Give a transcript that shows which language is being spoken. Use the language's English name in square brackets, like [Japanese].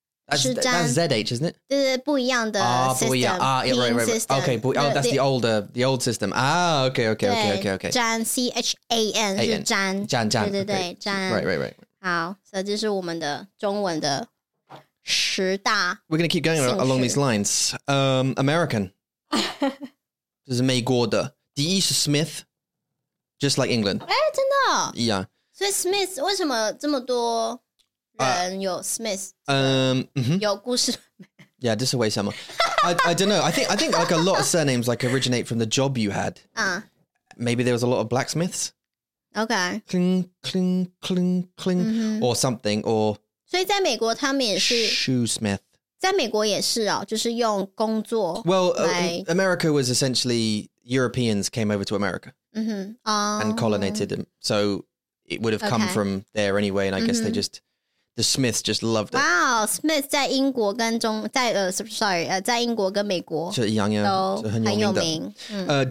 [English] That's Z-H, isn't it? [Chinese] 对对对，不一样的 system. 不一样。 [English] Ah, yeah, right, right, right. Okay, oh, that's the old system. Ah, okay, okay, okay, okay, okay. Zhan, C-H-A-N, Zhan. Zhan, Zhan. [Chinese] 对对对 ,Zhan. [English] Right, right, right. [Chinese] 好，所以这是我们的中文的。十大 [English] We're going to keep going along these lines. [Chinese] American. 这是美国的。第一是 [English] Smith, just like England. [Chinese] 诶,真的? 一样。所以 Smith, 为什么这么多人有 Smith? 有故事。 [English] Yeah, [Chinese] 这是为什么。 [English] I don't know. I think like a lot of surnames like originate from the job you had. Maybe there was a lot of blacksmiths. Okay. Cling, cling, cling, cling, mm-hmm. or something, or... [Chinese] 所以在美国他们也是 [English] Shoesmith [Chinese] 在美国也是哦就是用工作 [English] Well, America was essentially Europeans came over to America、 mm-hmm. And colonated them So it would have come、 okay. from there anyway And I guess、mm-hmm. they just The Smiths just loved it [Chinese] Wow, Smith 在英国跟中在 [English] sorry [Chinese] 在英国跟美国是一样的都很有名的、嗯